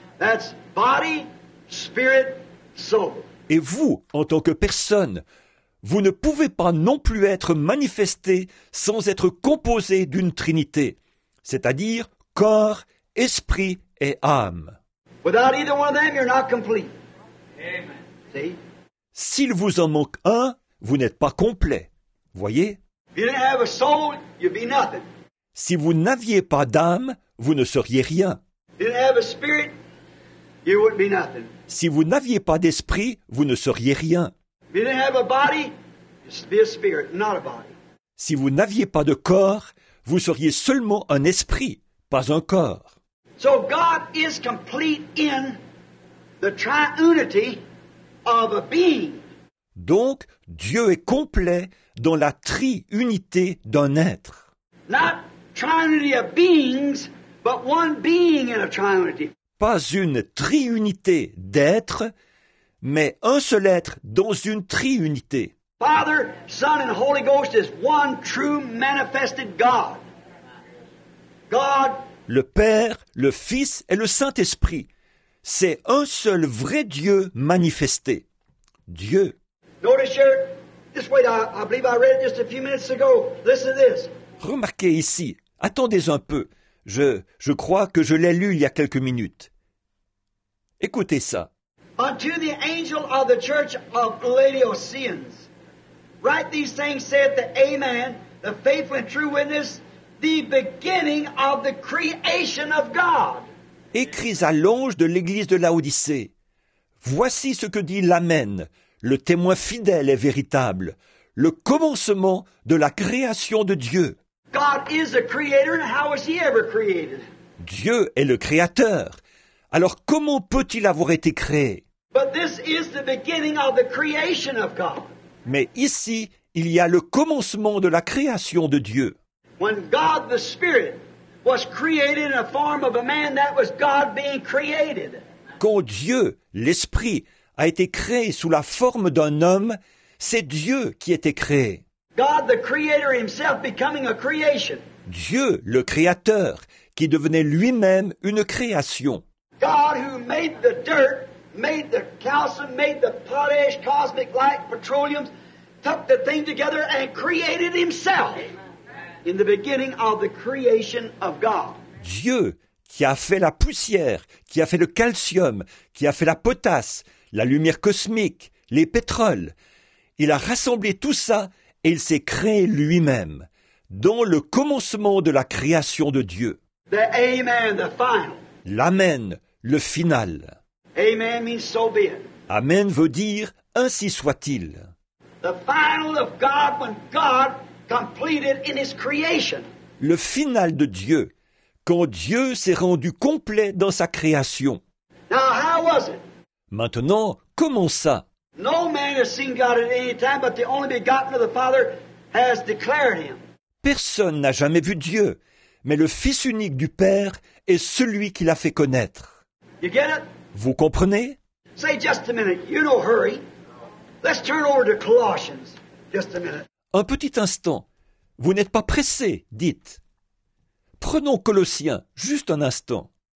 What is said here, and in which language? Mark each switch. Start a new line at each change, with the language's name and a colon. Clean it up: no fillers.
English: That's body, spirit, soul.
French: Et vous, en tant que personne, vous ne pouvez pas non plus être manifesté sans être composé d'une Trinité, c'est-à-dire corps, esprit et âme.
English: Without either one of them, you're not complete. Amen. See?
French: S'il vous en manque un, vous n'êtes pas complet, voyez.
English: If you didn't have a soul, you'd be nothing.
French: Si vous n'aviez pas d'âme, vous ne seriez rien.
English: If you didn't have a spirit, you wouldn't be nothing.
French: Si vous n'aviez pas d'esprit, vous ne seriez rien.
English: If you didn't have a body, you'd be a spirit, not a body.
French: Si vous n'aviez pas de corps, vous seriez seulement un esprit, pas un corps.
English: So God is complete in the triunity of a being.
French: Donc, Dieu est complet dans la tri-unité d'un être.
English: Not trinity of beings, but one being in a trinity.
French: Pas une tri-unité d'êtres, mais un seul être dans une tri-unité.
English: Father, Son, and Holy Ghost is one true manifested God. God.
French: Le Père, le Fils et le Saint-Esprit, c'est un seul vrai Dieu manifesté. Dieu.
English: Notice here, just wait, I believe I read it just a few minutes ago. Listen to this.
French: Remarquez ici, attendez un peu. Je crois que je l'ai lu il y a quelques minutes. Écoutez ça.
English: Unto the angel of the church of Laodiceans, write these things, saith the Amen, the faithful and true witness, the beginning of the creation of God.
French: Écris à l'ange de l'église de Laodicée. Voici ce que dit l'Amen. Le témoin fidèle est véritable, le commencement de la création de Dieu.
English: God is a creator, and how is he ever created?
French: Dieu est le créateur. Alors comment peut-il avoir été créé?
English: But this is the beginning of the creation of God.
French: Mais ici, il y a le commencement de la création de Dieu.
English: When God the Spirit was created in a form of a man, that was God being created.
French: Quand Dieu, l'Esprit, a été créé sous la forme d'un homme, c'est Dieu qui était créé.
English: God the Creator himself becoming a creation.
French: Dieu, le Créateur, qui devenait lui-même une création.
English: God who made the dirt, made the calcium, made the potash, cosmic light, petroleum, took the thing together and created himself. In the beginning of the creation of God.
French: Dieu qui a fait la poussière, qui a fait le calcium, qui a fait la potasse, la lumière cosmique, les pétroles. Il a rassemblé tout ça et il s'est créé lui-même dans le commencement de la création de Dieu.
English: The amen, the final.
French: L'amen, le final.
English: Amen means so be it.
French: Amen veut dire ainsi soit-il.
English: The final of God when God completed in his creation.
French: Le final de Dieu, quand Dieu s'est rendu complet dans sa création.
English: Now, how was it?
French: Maintenant, comment ça?
English: No man has seen God at any time, but the only begotten of the Father has declared him.
French: Personne n'a jamais vu Dieu, mais le Fils unique du Père est celui qui l'a fait connaître.
English: You get it?
French: Vous comprenez?
English: Say just a minute, you don't hurry. Let's turn over to Colossians. Just a minute.
French: Un petit instant, vous n'êtes pas pressé, dites. Prenons Colossiens, juste un instant.